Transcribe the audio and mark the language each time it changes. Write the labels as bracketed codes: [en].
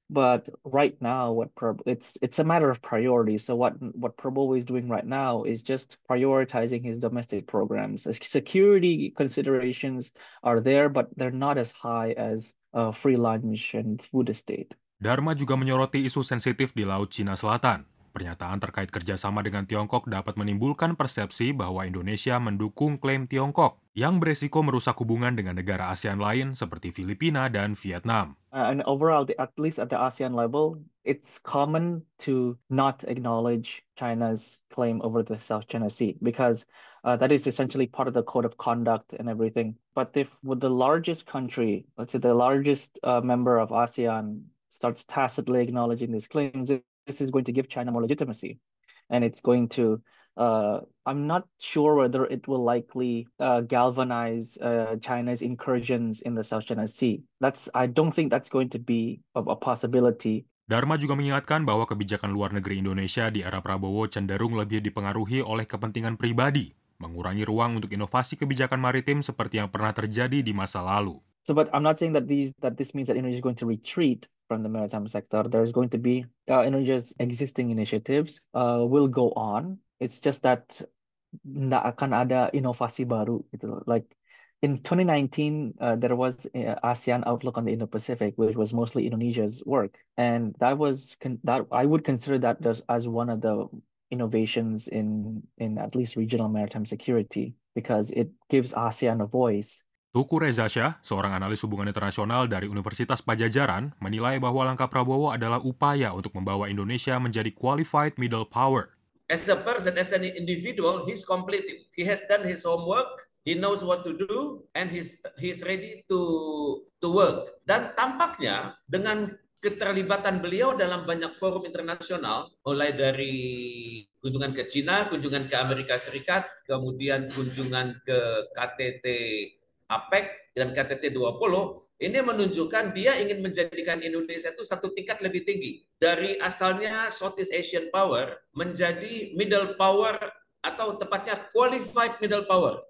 [en] But right now, it's a matter of priority. So what Prabowo is doing right now is just prioritizing his domestic programs. Security considerations are there, but they're not as high as free lunch and food estate. [id] Dharma juga menyoroti isu sensitif di Laut Cina Selatan. Pernyataan terkait kerjasama dengan Tiongkok dapat menimbulkan persepsi bahwa Indonesia mendukung klaim Tiongkok yang beresiko merusak hubungan dengan negara ASEAN lain seperti Filipina dan Vietnam. [en] And overall, at least at the ASEAN level, it's common to not acknowledge China's claim over the South China Sea, because that is essentially part of the code of conduct and everything. But if with the largest country, let's say the largest member of ASEAN, starts tacitly acknowledging these claims, this is going to give China more legitimacy, and it's going to I'm not sure whether it will likely galvanize China's incursions in the South China Sea. I don't think that's going to be a possibility. [id] Dharma juga mengingatkan bahwa kebijakan luar negeri Indonesia di era Prabowo cenderung lebih dipengaruhi oleh kepentingan pribadi, mengurangi ruang untuk inovasi kebijakan maritim seperti yang pernah terjadi di masa lalu. [en] So, but I'm not saying that this means that Indonesia is going to retreat from the maritime sector. There is going to be Indonesia's existing initiatives will go on. It's just that [id] tidak akan ada inovasi baru. Gitu. [en] Like in 2019, there was ASEAN Outlook on the Indo-Pacific, which was mostly Indonesia's work, and I would consider that as one of the innovations in at least regional maritime security, because it gives ASEAN a voice. [id] Tuku Reza Shah, seorang analis hubungan internasional dari Universitas Padjadjaran, menilai bahwa langkah Prabowo adalah upaya untuk membawa Indonesia menjadi qualified middle power. [en] As a person, as an individual, he's complete. He has done his homework. He knows what to do, and he's ready to work. [id] Dan tampaknya dengan keterlibatan beliau dalam banyak forum internasional, mulai dari kunjungan ke China, kunjungan ke Amerika Serikat, kemudian kunjungan ke KTT APEC dan KTT 20, Ini menunjukkan dia ingin menjadikan Indonesia itu satu tingkat lebih tinggi dari asalnya [en] Southeast Asian power [id] menjadi middle power atau tepatnya qualified middle power.